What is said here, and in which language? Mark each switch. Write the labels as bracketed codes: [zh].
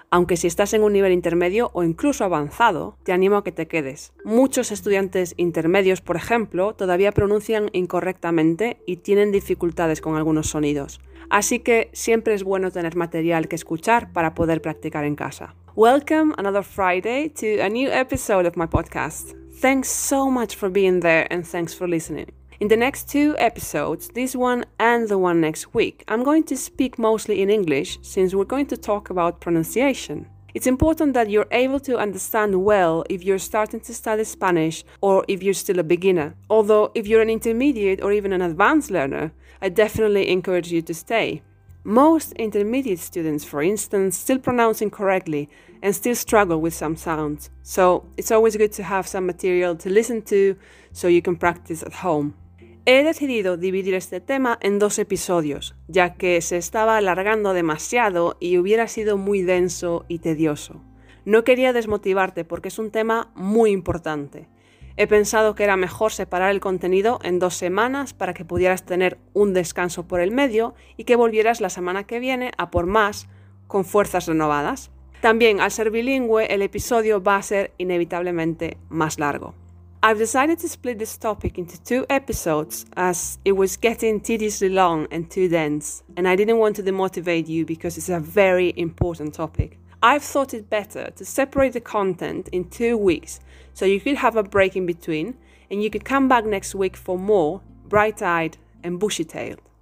[es] Aunque si estás en un nivel intermedio o incluso avanzado, te animo a que te quedes. Muchos estudiantes intermedios, por ejemplo, todavía pronuncian incorrectamente y tienen dificultades con algunos sonidos. Así que siempre es bueno tener material que escuchar para poder practicar en casa. [en] Welcome another Friday to a new episode of my podcast. Thanks so much for being there and thanks for listening. In the next two episodes, this one and the one next week, I'm going to speak mostly in English since we're going to talk about pronunciation. It's important that you're able to understand well if you're starting to study Spanish or if you're still a beginner. Although, if you're an intermediate or even an advanced learner, I definitely encourage you to stay. Most intermediate students, for instance, still pronounce incorrectly and still struggle with some sounds. So it's always good to have some material to listen to so you can practice at home. [es] He decidido dividir este tema en dos episodios, ya que se estaba alargando demasiado y hubiera sido muy denso y tedioso. No quería desmotivarte porque es un tema muy importante. He pensado que era mejor separar el contenido en dos semanas para que pudieras tener un descanso por el medio y que volvieras la semana que viene a por más, con fuerzas renovadas. También, al ser bilingüe, el episodio va a ser inevitablemente más largo. [en] I've decided to split this topic into two episodes as it was getting tediously long and too dense, and I didn't want to demotivate you because it's a very important topic. I've thought it better to separate the content in 2 weeks so you could have a break in between and you could come back next week for more bright-eyed and bushy-tailed.